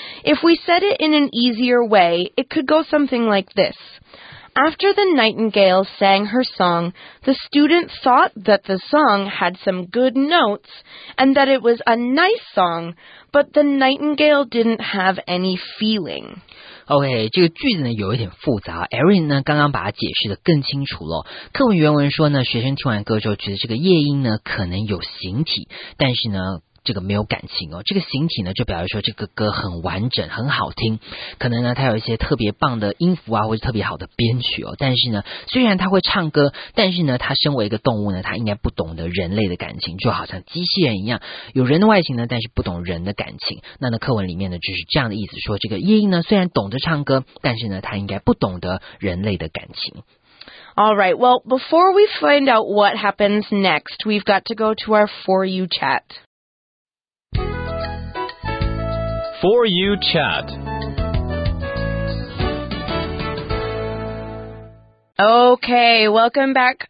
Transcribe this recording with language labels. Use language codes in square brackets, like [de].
[en] If we said it in an easier way, it could go something like this. After the nightingale sang her song, the student thought that the song had some good notes and that it was a nice song, but the nightingale didn't have any feeling. [zh] OK, 这个句子呢有一点复杂， Erin 呢刚刚把它解释得更清楚了。课文原文说呢学生听完歌之后觉得这个夜莺呢可能有形体，但是呢这个没有感情哦。这个形体呢就表示说这个歌很完整很好听，可能呢它有一些特别棒的音符啊或者特别好的编曲哦，但是呢虽然它会唱歌，但是呢它身为一个动物呢它应该不懂得人类的感情，就好像机器人一样有人的外形呢但是不懂人的感情。那呢课文里面呢就是这样的意思，说这个夜莺呢虽然懂得唱歌，但是呢它应该不懂得人类的感情。 [en] All right, well, before we find out what happens next, we've got to go to our For You chat. For You Chat. Okay, welcome back.